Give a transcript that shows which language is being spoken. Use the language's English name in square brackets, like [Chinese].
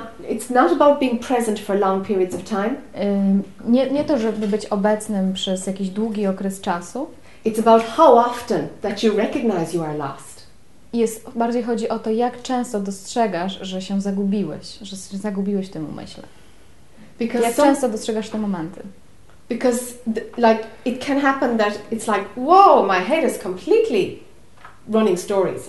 [English] It's not about being present for long periods of time. [Polish] Nie to, żeby być obecnym przez jakiś długi okres czasu. [English] It's about how often that you recognize you are lost. [Polish] Jest, bardziej chodzi o to, jak często dostrzegasz, że się zagubiłeś, że zagubiłeś w tym umyśle. [English] Because [Polish] jak często dostrzegasz te momenty? [English] Because like it can happen that it's like, whoa, my head is completely running stories.